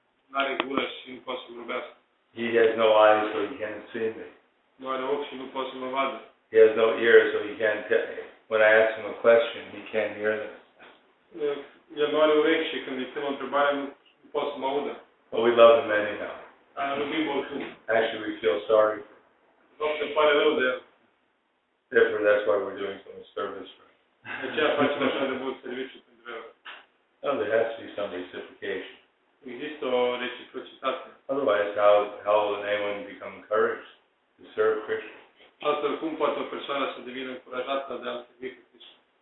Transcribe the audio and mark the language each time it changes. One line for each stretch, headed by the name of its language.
English: He has no eyes, so he can't see me. He has no ears, so he can't tell me. When I ask him a question, he can't hear them.
Romanian: El nu are urechi și când îi pun o întrebare, nu pot să mă audă.
English: But we love him anyhow. Actually, we feel sorry.
Romanian: Se pare rău de el.
English: Therefore, that's why we're doing some service for him.
Romanian: De aceea facem așa de mult serviciu pentru el.
English: No, there has to be some reciprocation.
Romanian: Există o reciprocitate.
English: Otherwise, how will anyone become encouraged to serve Krishna?
Romanian: Altfel, cum poate o persoană să devină încurajată de a servi Krishna?